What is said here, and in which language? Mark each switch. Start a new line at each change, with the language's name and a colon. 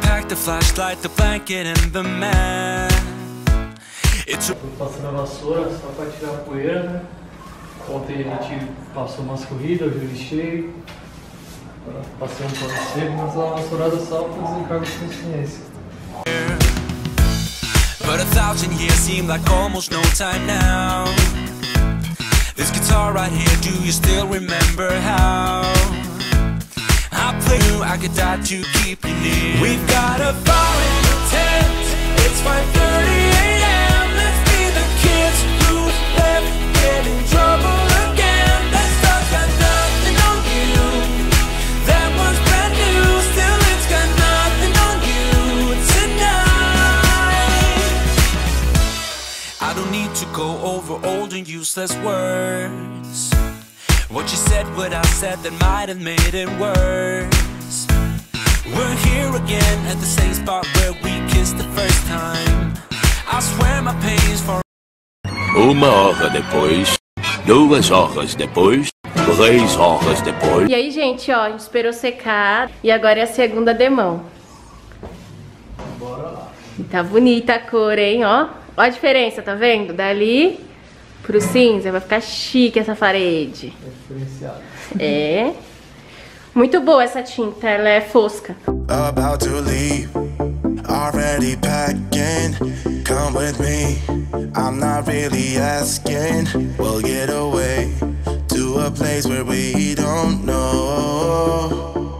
English: Flashlight, the blanket and the mat.
Portuguese: Vou passar na vassoura só para tirar a poeira, né? Ontem a gente passou umas corridas, eu lixei. Agora passei um pano seco, mas a vassourada só para fazer cargo de consciência.
English: But a thousand years seem like almost no time now. This guitar right here, do you still remember how? I could die to keep you near. We've got a fire in the tent. It's 5:30 a.m. Let's be the kids who left, get in trouble again. That stuff got nothing on you. That was brand new. Still it's got nothing on you tonight. I don't need to go over old and useless words. What you said, what I said, that might have made it worse. We're here again at the same spot where we kissed the first time. I swear my pain's for.
Portuguese: Uma hora depois, duas horas depois, três horas depois. E aí, gente, ó, a gente esperou secar e agora é a segunda demão. Bora lá. Tá bonita a cor, hein, ó. Olha a diferença, tá vendo? Dali pro cinza, vai ficar chique essa parede. É diferenciado. É. Muito boa essa tinta, ela é fosca.
English: About to leave, already packing. Come with me, I'm not really asking. We'll get away to a place where we don't know.